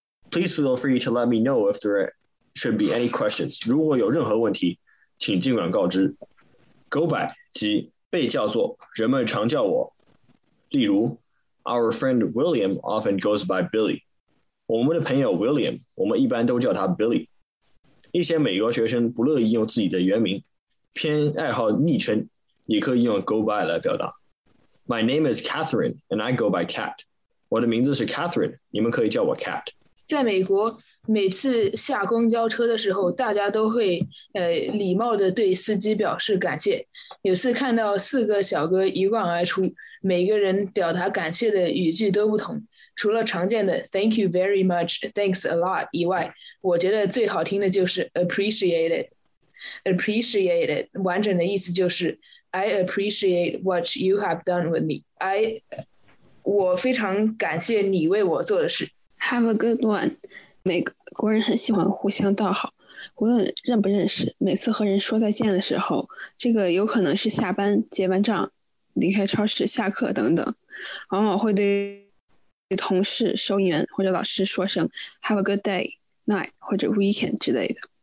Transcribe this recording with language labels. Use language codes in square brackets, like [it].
[en] Please feel free to let me know if there should be any questions. [zh] 如果有任何问题请尽管告知。 Go by 即被叫做，人们常叫我。例如 [en] Our friend William often goes by Billy. [zh] 我们的朋友 William, 我们一般都叫他 Billy. 一些美国学生不乐意用自己的原名，偏爱好昵称，也可以用 go by 来表达。 [en] My name is Catherine and I go by Cat. [zh] 我的名字是 Catherine, 你们可以叫我 Cat. 在美国每次下公交车的时候，大家都会礼貌地对司机表示感谢。有次看到四个小哥一望而出，每个人表达感谢的语句都不同。除了常见的 [en] "Thank you very much," "Thanks a lot" [zh] 以外，我觉得最好听的就是 [en] "Appreciate it." "Appreciate it" [zh] 完整的意思就是 [en] "I appreciate what you have done with me." [zh] 我非常感谢你为我做的事。 [en] Have a good one. [zh] 美国人很喜欢互相道好，无论认不认识，每次和人说再见的时候，这个有可能是下班结完账离开超市下课等等，往往会对同事收银员或者老师说声 [en] have a good day, night [zh] 或者 weekend 之类的。